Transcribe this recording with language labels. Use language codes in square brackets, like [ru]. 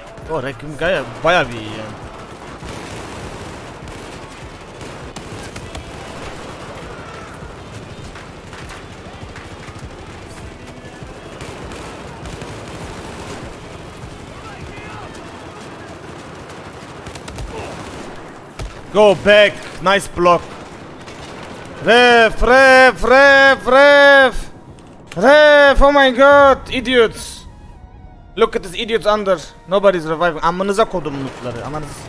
[tr] Oh, Rekim Gaya bayağı bir iyi ya. [en] Go back. Nice block. Ref, ref, ref, ref, ref, oh my god, idiots. Look at this idiots under, nobody's reviving. [tr] Amınıza kodum mutları, amınız.